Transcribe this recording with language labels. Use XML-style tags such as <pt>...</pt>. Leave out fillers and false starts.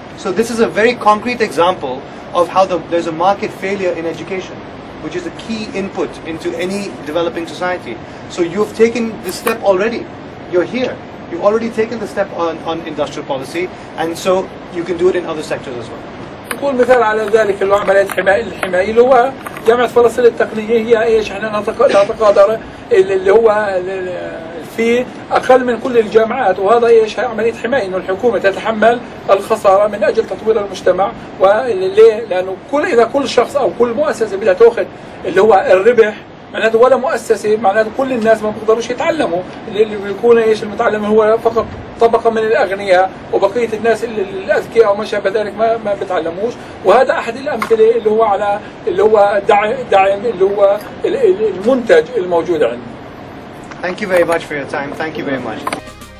<en>So this is a very concrete example of how there's a market failure in education, which is a key input into any developing society. So you've taken the step already. You're here. You've already taken the step on industrial policy, and so you can do it in other sectors as well.</en> <ar>يقول مثال على ذلك اللي هو عمليه الحمايه اللي هو جامعه فلسطين التقنيه هي ايش؟ احنا نتقادر اللي هو في اقل من كل الجامعات، وهذا ايش؟ عمليه حمايه انه الحكومه تتحمل الخساره من اجل تطوير المجتمع. وليه؟ لانه اذا كل شخص او كل مؤسسه بدها تاخذ اللي هو الربح، معناته ولا مؤسسه، معناته كل الناس ما بيقدروش يتعلموا، اللي بيكون ايش؟ المتعلم هو فقط طبقه من الاغنياء، وبقيه الناس الاذكياء او ما شابه ذلك ما بيتعلموش. وهذا احد الامثله اللي هو على اللي هو دعم اللي هو المنتج الموجود عندنا.</ar> <en>Thank you very much for your time. Thank you very much.</en>